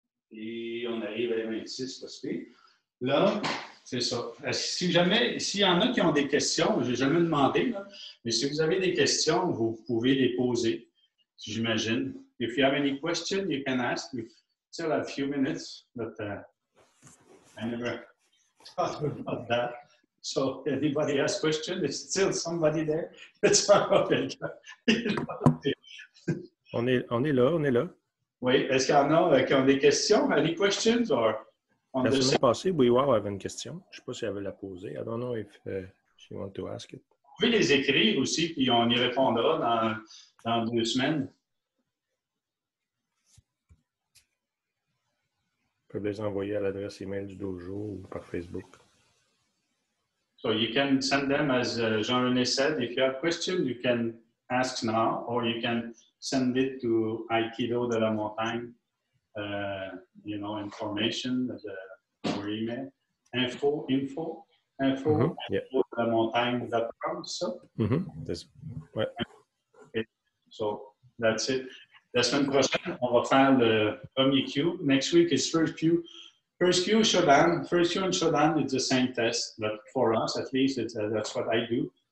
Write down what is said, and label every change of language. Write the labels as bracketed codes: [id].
[fr] Et on arrive à 26, parce que là, c'est ça. Si jamais, s'il y en a qui ont des questions, je n'ai jamais demandé, là, mais si vous avez des questions, vous pouvez les poser, j'imagine. [en] If you have any questions, you can ask. Still a few minutes, but I never thought about that. So, anybody has questions? There's still somebody there? It's not [fr] on est là. Oui, est-ce qu'il y en a qui ont des questions? [en] Any questions? Or [fr] on la semaine passée, Bouywar avait une question. Je ne sais pas si elle veut la poser. [en] I don't know if she wants to ask it. [fr] Vous pouvez les écrire aussi, puis on y répondra dans deux semaines. Vous pouvez les envoyer à l'adresse email du dojo ou par Facebook. [en] So you can send them as Jean-René said. If you have questions, you can ask now or you can send it to Aikido de la Montagne, information or email. Info mm-hmm. yeah. de la Montagne.com. So. [fr] Mm-hmm. Ouais. [en] Okay. So that's it. [fr] La semaine prochaine, on va faire le premier Q. [en] Next week is first Q. First Q and Shodan. First Q and Shodan, it's the same test. But for us, at least, that's what I do.